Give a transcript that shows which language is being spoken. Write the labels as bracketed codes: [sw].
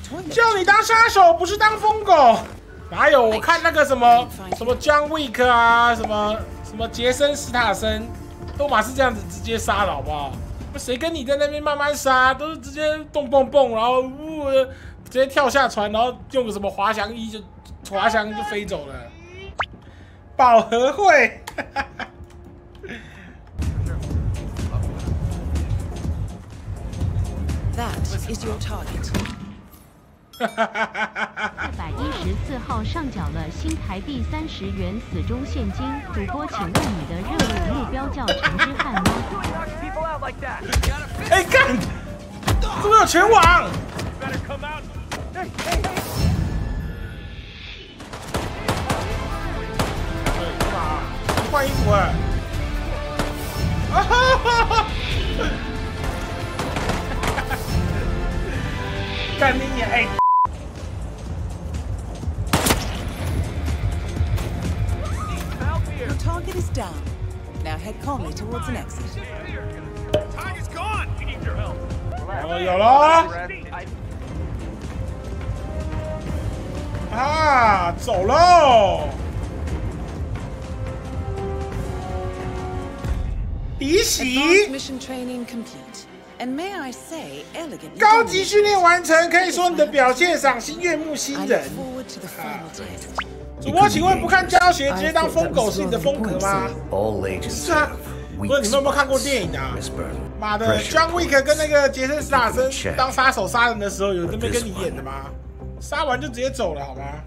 [zh] 叫你当杀手，不是当疯狗。哪有？我看那个什么什么 John Wick 啊，什么什么杰森·斯塔森，都嘛是这样子直接杀的，好不好？那谁跟你在那边慢慢杀？都是直接蹦蹦蹦，然后呜。直接跳下船，然后用个什么滑翔衣就滑翔就飞走了。 [en] 宝和会，That is your target. [zh] 114号上缴了新台币30元死忠现金，主播请问你的任务目标叫陈之汉吗？ [en] like that. [zh] 哎，干！这边有全网。换衣服哎！啊哈哈哈！干你娘！哎。 [en] Target is down. Now head calmly towards an exit. Time is gone. We need your help. Hello, hello. [zh] Ah, 走喽。敌袭。 [en] Advanced mission training complete. And may I say, elegantly. [zh] 高级训练完成，可以说你的表现赏心悦目，新人。 [en] I look forward to the final test. [zh] 主播，请问不看教学直接当疯狗是你的风格吗？是啊，不是你们有没有看过电影啊？妈的 ，John Wick 跟那个杰森·斯坦森当杀手杀人的时候，有这么跟你演的吗？杀完就直接走了好吗？